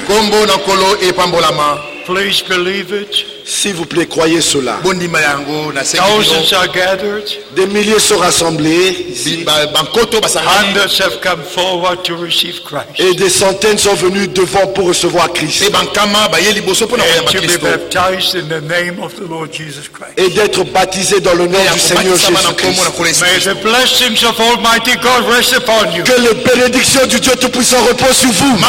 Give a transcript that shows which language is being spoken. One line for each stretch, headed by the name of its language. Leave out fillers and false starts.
English: Kombo na kolo et pambolama. Please believe it.
French: S'il vous plaît, croyez cela.
English: Thousands are gathered.
French: Des milliers sont rassemblés ici.
English: Hundreds have come forward to receive Christ.
French: Et des centaines sont venus devant pour recevoir Christ.
English: And to be baptized in the name of the Lord Jesus Christ.
French: Et d'être baptisé dans le nom du Seigneur Jésus-Christ.
English: May the blessings of Almighty God rest upon you.
French: Que les bénédictions du Dieu Tout-Puissant reposent sur vous.